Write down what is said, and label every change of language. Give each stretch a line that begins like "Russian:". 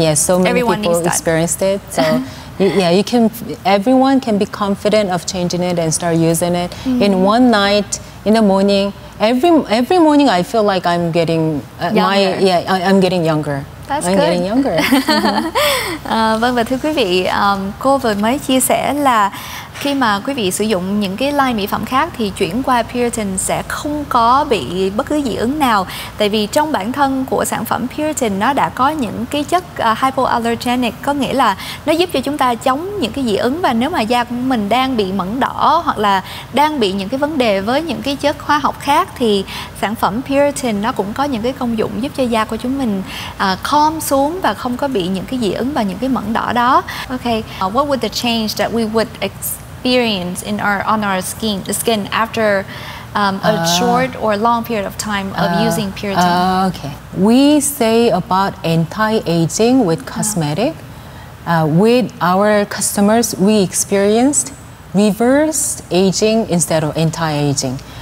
English: Yeah, so many Everyone people experienced it, so yeah, you can. Everyone can be confident of changing it and start using it. Mm-hmm. In one night, in the morning, every morning, I feel like I'm getting I'm getting younger. That's I'm good. Getting younger. Mm-hmm.
Vietnamese: Vâng, và thưa quý vị, cô vừa mới chia sẻ là khi mà quý vị sử dụng những cái line mỹ phẩm khác thì chuyển qua Puriton sẽ không có bị bất cứ dị ứng nào. Tại vì trong bản thân của sản phẩm Puriton nó đã có những cái chất hypoallergenic, có nghĩa là nó giúp cho chúng ta chống những cái dị ứng. Và nếu mà da của mình đang bị mẩn đỏ hoặc là đang bị những cái vấn đề với những cái chất hóa học khác thì sản phẩm Puriton nó cũng có những cái công dụng giúp cho da của chúng mình calm xuống và không có bị những cái dị ứng và những cái mẩn đỏ đó.
English: Ok, what would the change that we would experience in our on our skin the skin after a short or long period of time of using Puriton? Okay, we say about anti-aging with cosmetic. With our customers, we experienced reverse aging instead of anti-aging.